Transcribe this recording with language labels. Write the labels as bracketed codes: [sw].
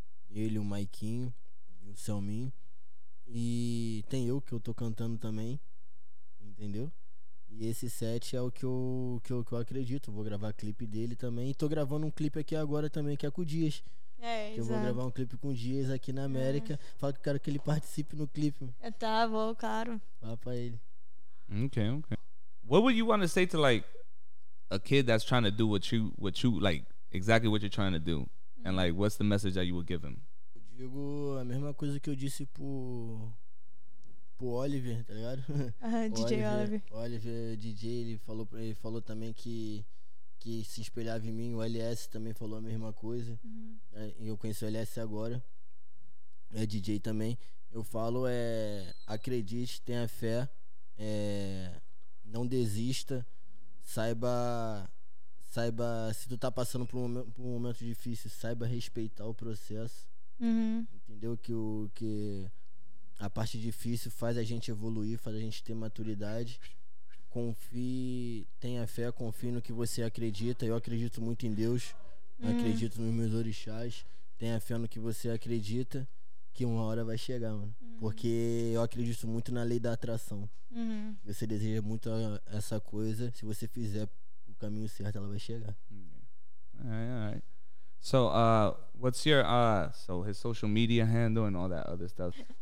[pt] Ele, o Maiquinho e o Selminho. E tem eu, que eu tô cantando também. Entendeu? E esse set é o que eu acredito. Vou gravar clipe dele também. E tô gravando um clipe aqui agora também, que é com o Dias. É, eu vou gravar um clipe com o Dias aqui na América. É. Fala que eu quero que ele participe no clipe. Tá, vou, claro. Fala pra ele. Ok. [en] What would you want to say to, like, a kid that's trying to do what you, like, exactly what you're trying to do? And, like, what's the message that you would give him? [pt] Eu digo a mesma coisa que eu disse pro Oliver, tá ligado? DJ Oliver. Oliver, DJ, ele falou também que se espelhava em mim. O LS também falou a mesma coisa. Uhum. Eu conheço o LS agora. É DJ também. Eu falo, acredite, tenha fé. Não desista. Saiba, se tu tá passando por um momento difícil, saiba respeitar o processo. Uhum. Entendeu? Que a parte difícil faz a gente evoluir, faz a gente ter maturidade. Confie, tenha fé, confie no que você acredita. Eu acredito muito em Deus. Uhum. Acredito nos meus orixás. Tenha fé no que você acredita, que uma hora vai chegar, mano. Uhum. Porque eu acredito muito na lei da atração. Uhum. Você deseja muito essa coisa, se você fizer o caminho certo, ela vai chegar. [en] Alright. So, what's your his social media handle and all that other stuff?